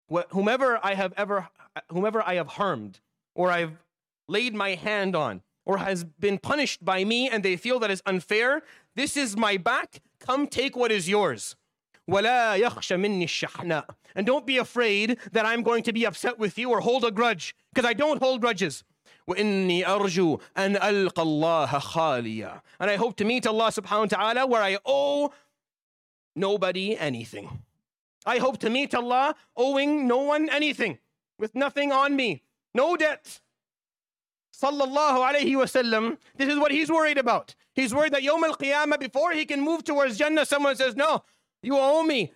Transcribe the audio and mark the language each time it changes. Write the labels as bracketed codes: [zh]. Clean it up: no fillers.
[en] Whomever I have harmed or I've laid my hand on or has been punished by me and they feel that is unfair, this is my back, come take what is yours. [ar] ولا يخشى مني الشحناء. [en] And don't be afraid that I'm going to be upset with you or hold a grudge, because I don't hold grudges. [ar] وإني أرجو أن ألقى الله خاليا. [en] And I hope to meet Allah subhanahu wa ta'ala where I owe nobody anything. I hope to meet Allah owing no one anything, with nothing on me, no debt. [ar] صلى الله عليه وسلم. [en] This is what he's worried about. He's worried that يوم القيامة, before he can move towards Jannah, someone says, no, you owe me.